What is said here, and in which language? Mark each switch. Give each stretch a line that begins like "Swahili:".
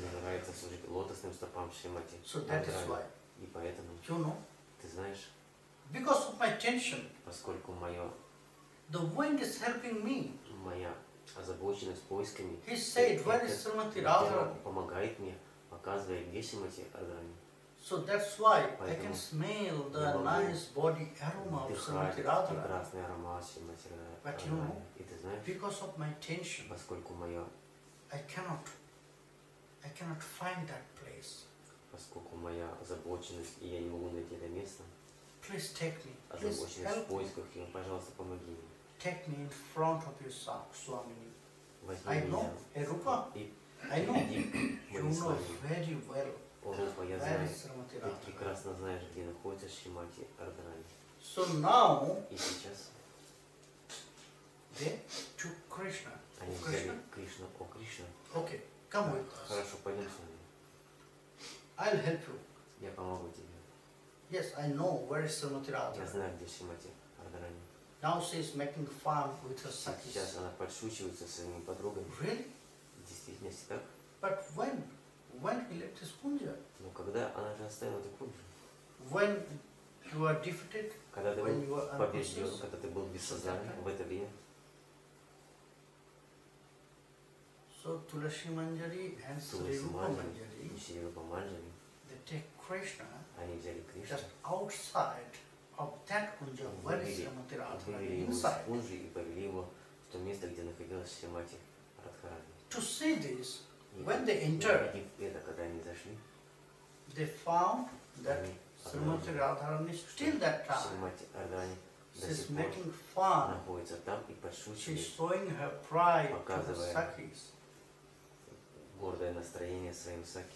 Russian: Мне нравится служить лотосным стопам Шримати.
English: So that is why.
Russian: И поэтому.
English: You know?
Russian: Ты знаешь?
English: Because of my tension.
Russian: Поскольку мое
English: the wind is helping me.
Russian: Моя озабоченность поисками.
English: He said, where is Srimati Radharani?
Russian: Помогает мне, показывает, где Srimati Radharani.
English: So that's why I can smell the nice body aroma of Srimati Radharani.
Russian: Прекрасный аромат Srimati Radharani.
English: But you know, because of my tension,
Russian: поскольку моё,
English: I cannot find that place.
Russian: Поскольку моя озабоченность и я не могу найти это место.
English: Please take me.
Russian: Озабоченность в поисках, и, пожалуйста, помоги мне.
English: Take me in front of yourself, Swami.
Russian: Возьми меня.
English: I know, Erupa. I know. You know very well.
Russian: Erupa, я знаю. Ты прекрасно знаешь, где находится Шримати Радхарани.
English: So now.
Russian: И сейчас.
English: They to Krishna.
Russian: Они взяли Кришну. О, Кришна.
English: Okay, come with us.
Russian: Хорошо, пойдем с вами.
English: I'll help you.
Russian: Я помогу тебе.
English: Yes, I know where is Srimati Radharani.
Russian: Я знаю, где Srimati Radharani.
English: Now she is making fun with her sakis.
Russian: Сейчас она подшучивается со своими подругами.
English: Really?
Russian: Действительно, так?
English: But when? When he left his kunja?
Russian: Ну, когда она же оставила эту кунжу?
English: When you are defeated?
Russian: Когда ты
English: when
Russian: был
English: you are
Russian: побежден,
English: unconscious?
Russian: Когда ты был без сознания в это время?
English: So Tulasimanjari and Srirupamanjari, they take Krishna,
Russian: они взяли Кришну,
English: just outside of that kunja, where is Srimati Radharani, inside.
Russian: Кунжи и повели его в то место, где находилась Srimati Radharani.
English: To see this, when they entered,
Russian: это, когда они зашли,
English: they found that Srimati Radharani still that time.
Russian: До
English: she's making fun.
Russian: Находится там и подшучивает.
English: She's showing her pride to the sakis.
Russian: Гордое настроение своим саки.